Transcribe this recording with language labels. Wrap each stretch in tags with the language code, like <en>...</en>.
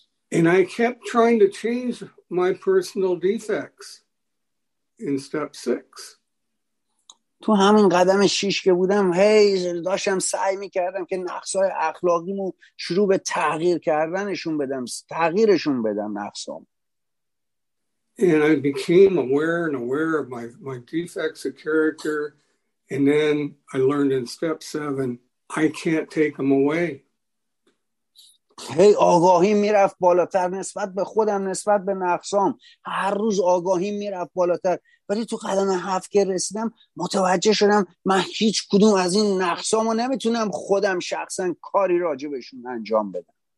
<en>And I kept trying to change my personal defects in step 6.</en> <fa>تو همین قدم 6 که بودم داشتم سعی میکردم که نقصهای اخلاقیمو شروع به تغییر کردنشون بدم تغییرشون بدم نقصام.</fa> <en>And I became aware and aware of my defects of character, and then I learned in step 7 I can't take them away.</en> <fa>هی آگاهی میرفت بالاتر نسبت به خودم نسبت به نقصام هر روز آگاهی میرفت بالاتر ولی تو قدم 7 که رسیدم متوجه شدم من هیچ کدوم از این نقصامو نمیتونم خودم شخصا کاری راجبشون انجام بدم.</fa>